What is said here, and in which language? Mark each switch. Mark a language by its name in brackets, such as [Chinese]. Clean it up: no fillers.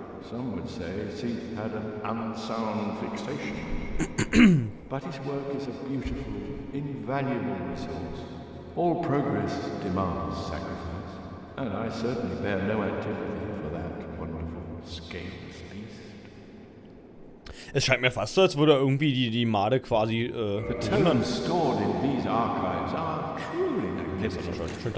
[English] Some would say Seeth had an unsound fixation. But his work is a beautiful, invaluable resource. All progress demands sacrifice. And I certainly bear no antipathy for that wonderful, scaleless beast. [German] Es scheint mir fast so, als würde irgendwie die Made quasi, [English] The tomes stored in these archives are truly magnificent.